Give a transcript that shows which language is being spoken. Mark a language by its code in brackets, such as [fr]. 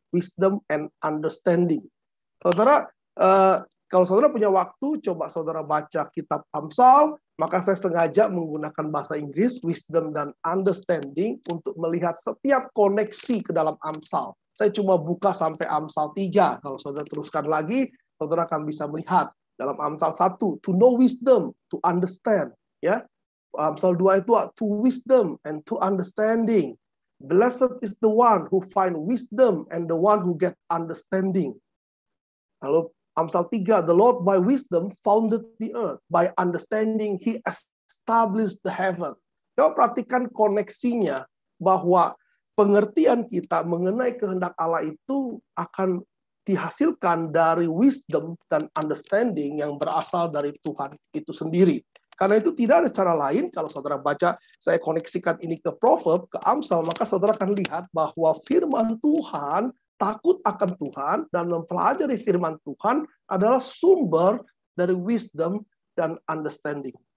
[en] Wisdom and understanding. [id] Saudara, kalau saudara punya waktu, coba saudara baca kitab Amsal, maka saya sengaja menggunakan bahasa Inggris, wisdom dan understanding, untuk melihat setiap koneksi ke dalam Amsal. Saya cuma buka sampai Amsal 3. Kalau saudara teruskan lagi, saudara akan bisa melihat dalam Amsal 1, [en] to know wisdom, to understand. [id] Ya, Amsal 2 itu, [en] to wisdom and to understanding. Blessed is the one who find wisdom and the one who get understanding. Lalu Amsal 3, the Lord by wisdom founded the earth. By understanding, he established the heaven. [id] Coba perhatikan koneksinya bahwa pengertian kita mengenai kehendak Allah itu akan dihasilkan dari wisdom dan understanding yang berasal dari Tuhan itu sendiri. Karena itu tidak ada cara lain, kalau saudara baca, saya koneksikan ini ke Proverb, ke Amsal, maka saudara akan lihat bahwa firman Tuhan, takut akan Tuhan, dan mempelajari firman Tuhan adalah sumber dari wisdom dan understanding.